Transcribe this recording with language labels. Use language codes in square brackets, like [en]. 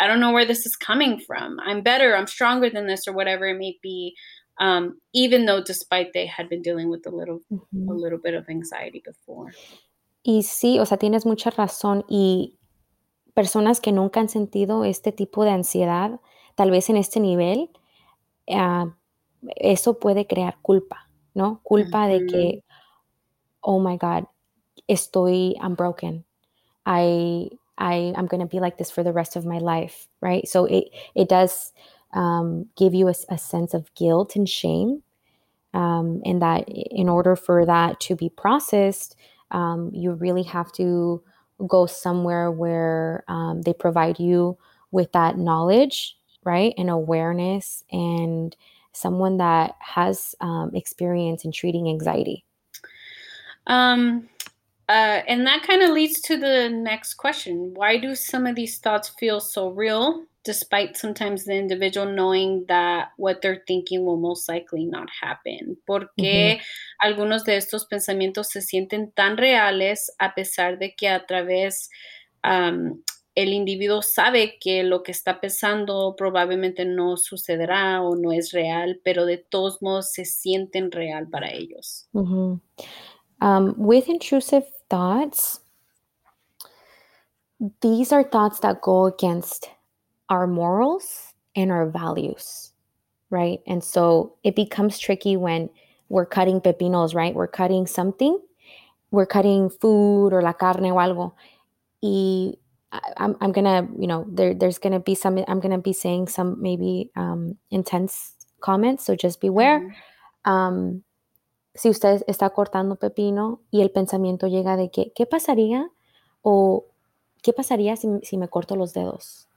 [en] I don't know where this is coming from. I'm better, I'm stronger than this, or whatever it may be. Even though, despite they had been dealing with a little bit of anxiety before. [es] Y sí, o sea, tienes mucha razón. Y personas que nunca han sentido este tipo de ansiedad, tal vez en este nivel, eso puede crear culpa, ¿no? Culpa mm-hmm. de que, [en] oh my God, I'm broken. I'm going to be like this for the rest of my life, right? So it does give you a sense of guilt and shame, and that in order for that to be processed, you really have to go somewhere where they provide you with that knowledge, right, and awareness, and someone that has experience in treating anxiety. And that kind of leads to the next question. Why do some of these thoughts feel so real, despite sometimes the individual knowing that what they're thinking will most likely not happen? [es] ¿Por qué mm-hmm. algunos de estos pensamientos se sienten tan reales a pesar de que a través el individuo sabe que lo que está pensando probablemente no sucederá o no es real, pero de todos modos se sienten real para ellos? Mm-hmm. [en] With intrusive thoughts, these are thoughts that go against our morals and our values, right? And so it becomes tricky when we're cutting pepinos, right? We're cutting something, we're cutting food or [es] la carne o algo. [en] Y I'm going to, you know, there's going to be some, I'm going to be saying some maybe intense comments, so just beware. Mm-hmm. [es] Si usted está cortando pepino y el pensamiento llega de que, ¿qué pasaría? O, ¿qué pasaría si me corto los dedos?